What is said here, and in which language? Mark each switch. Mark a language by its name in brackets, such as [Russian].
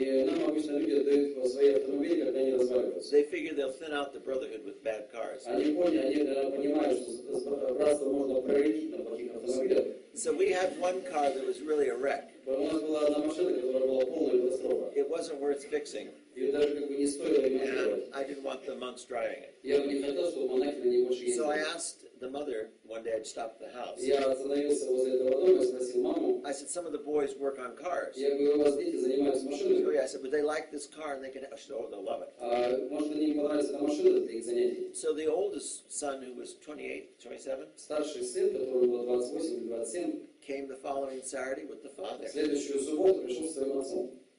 [Russian] И нам обычно люди дают свои автомобили, когда они разваливаются. [English] They figure they'll thin out the brotherhood with bad cars. [Russian] Они понимают, что братство можно проредить на плохих автомобилях. [English] So we had one car that was really a wreck. [Russian] But у нас была одна машина, которая была полная катастрофа. [English] It wasn't worth fixing. [Russian] Ее даже как бы не стоило ремонтировать. [English] I didn't want the monks driving it. [Russian] Я бы не хотел, чтобы монахи на ней больше ездили. [English] So I asked the mother one day I'd stop the house. [Russian] Я остановился возле этого дома и спросил маму. [English] I said, some of the boys work on cars. [Russian] Я говорю, у вас дети занимаются машинами. [English] So, yeah, I said, but they like this car and they can, oh, they'll love it. [Russian] Может, они не понравится эта машина, это их занятие. [English] So the oldest son, who was 28, [Russian] 27, старший сын, которому было 28, 27, [English] came the following Saturday with the father. [Russian] Следующую субботу пришел с своим отцом.